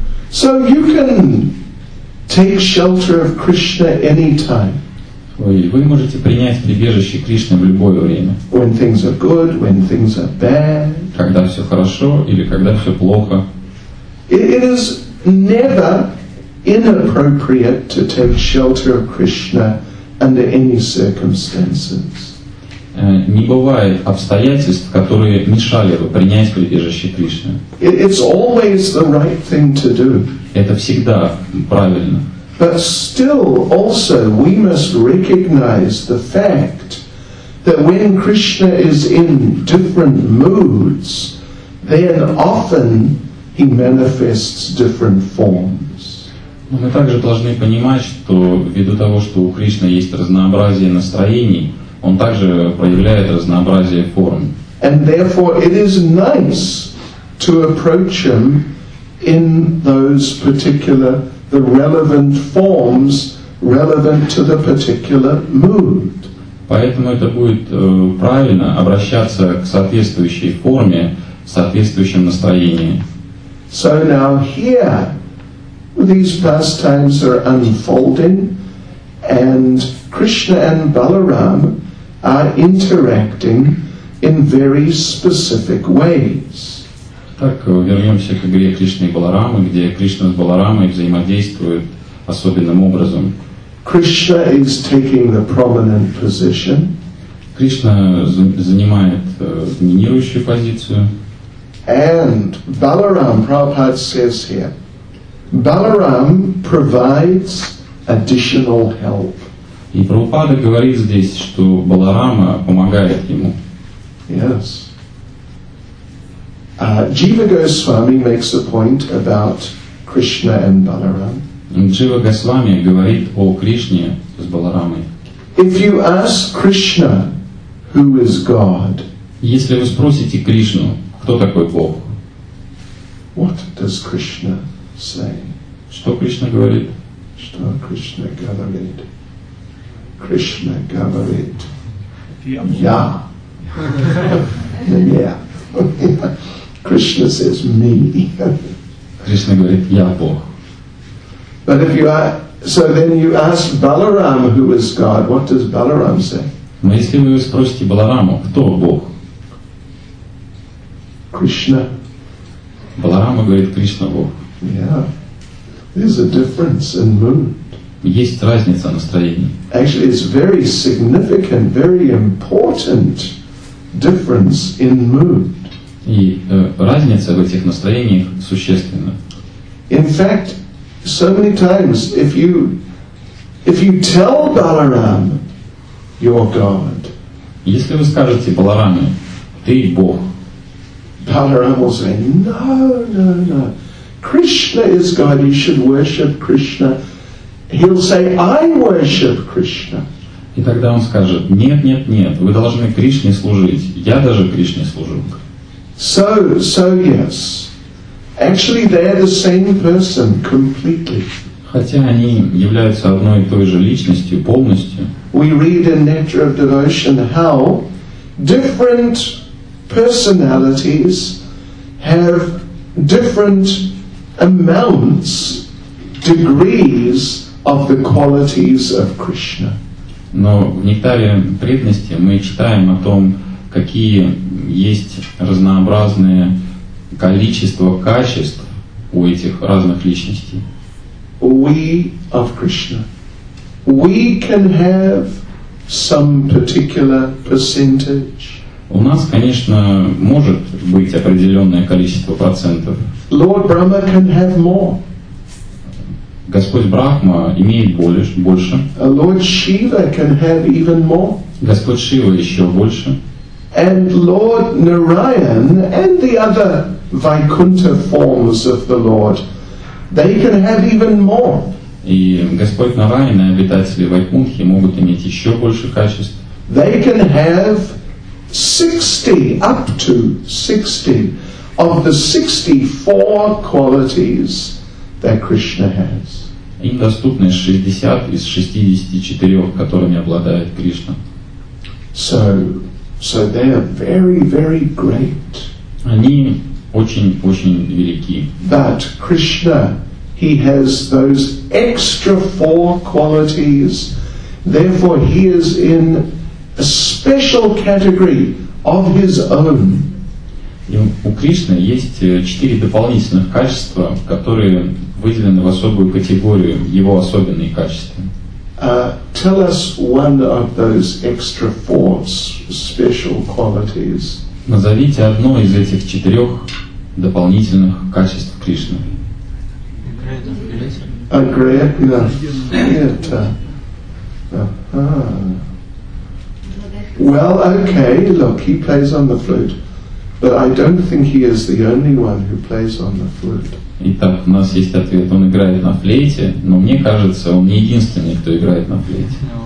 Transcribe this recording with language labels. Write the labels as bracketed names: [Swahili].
[English] So you can take shelter of Krishna anytime. [Russian] Вы можете принять прибежище Кришны в любое время. [English] When things are good, when things are bad. [Russian] Когда все хорошо или когда все плохо. [English] It is never inappropriate to take shelter of Krishna under any circumstances. [Russian] Не бывает обстоятельств, которые мешали бы принять прибежище Кришны. [English] It's always the right thing to do. [Russian] Это всегда правильно. [English] But still, also, we must recognize the fact that when Krishna is in different moods, then often he manifests different forms. [Russian] Но мы также должны понимать, что ввиду того, что у Кришны есть разнообразие настроений, он также проявляет разнообразие форм. [English] And therefore, it is nice to approach him in those particular the relevant forms relevant to the particular mood. [Russian] Поэтому это будет правильно обращаться к соответствующей форме, в соответствующем настроении. [English] So now here, these pastimes are unfolding, and Krishna and Balaram are interacting in very specific ways. [Russian] Так, вернемся к игре Кришны и Баларамы, где Кришна с Баларамой взаимодействуют особенным образом. [English] Krishna is taking the prominent position. [Russian] Кришна занимает доминирующую позицию. [English] And Balaram, Prabhupada says here, Balaram provides additional help. [Russian] И Прабхупада говорит здесь, что Баларама помогает ему. [English] Yes. Jiva Goswami makes a point about Krishna and Balaram. [Russian] Jiva Goswami говорит о Кришне с Баларамой. [English] If you ask Krishna, who is God? [Russian] Если вы спросите Кришну, кто такой Бог? [English] What does Krishna say? [Russian] Что Кришна говорит? Что Кришна говорит? Krishna говорит. Я. [English] Krishna says, me. [Russian] Krishna говорит, я Бог. [English] But if you ask, so then you ask Balaram, who is God, what does Balaram say? [Russian] Но если вы спросите Балараму, кто Бог? [English] Krishna. [Russian] Баларама говорит, Кришна Бог. [English] Yeah. There's a difference in mood. [Russian] Есть разница настроений. [English] Actually, it's very significant, very important difference in mood. [Russian] И разница в этих настроениях существенна. [English] In fact, so many times, if you tell Balaram, you're God. [Russian] Если вы скажете Балараме, ты Бог. [English] Balaram will say, no. Krishna is God. You should worship Krishna. He'll say, I worship Krishna. [Russian] И тогда он скажет, нет. Вы должны Кришне служить. Я даже Кришне служу. [English] So yes. Actually, they are the same person completely. [Russian] Хотя они являются одной и той же личностью полностью. [English] We read in Nectar of Devotion how different personalities have different amounts, degrees of the qualities of Krishna. [Russian] Но в Нектаре преданности мы читаем о том, какие есть разнообразные количество качеств у этих разных личностей. [English] We of Krishna. We can have some particular percentage. [Russian] У нас, конечно, может быть определенное количество процентов. [English] Lord Brahma can have more. [Russian] Господь Брахма имеет больше. [English] Lord Shiva can have even more. [Russian] Господь Шива еще больше. [English] And Lord Narayan and the other Vaikuntha forms of the Lord, they can have even more. [Russian] И Господь Нараян и обитатели Вайкунхи могут иметь еще больше качеств. [English] They can have 60, up to 60 of the 64 qualities that Krishna has. [Russian] Им доступны 60 из 64, которыми обладает Кришна. [English] So they are very, very great. [Russian] Они очень-очень велики. [English] But Krishna, he has those extra four qualities. Therefore, he is in a special category of his own. [Russian] И у Кришны есть четыре дополнительных качества, которые выделены в особую категорию, его особенные качества. [English] Tell us one of those extra four special qualities. [Russian] Назовите одно из этих четырех дополнительных качеств Кришны. [English] Agreeableness. Uh-huh. Well, okay, look, he plays on the flute. But I don't think he is the only one who plays on the flute. [Russian] Итак, у нас есть ответ. Он играет на флейте, но мне кажется, он не единственный, кто играет на флейте.